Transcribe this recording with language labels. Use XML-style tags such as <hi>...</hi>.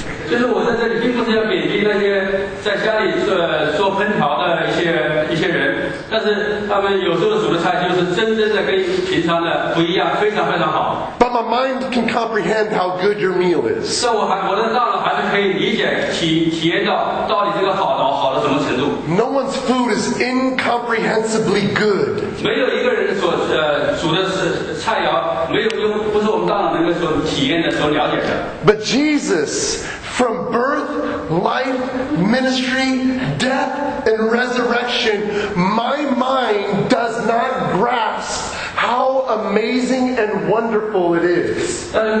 <zh>就是我在这里并不是要贬低那些在家里做烹调的一些人，但是他们有时候煮的菜就是真正的跟平常的不一样，非常非常好。</zh> <en>But my mind can comprehend how good your meal is.</en> <zh>我的大脑还是可以理解体验到到底这个好到什么程度。</zh> <en>No one's food is incomprehensibly good.</en> <zh>没有一个人所煮的菜肴，没有用，不是我们大脑能够所体验的、所了解的。</zh> <en>But Jesus, from birth, life, ministry, death, and resurrection, my mind does not grasp how amazing and wonderful it is.</en>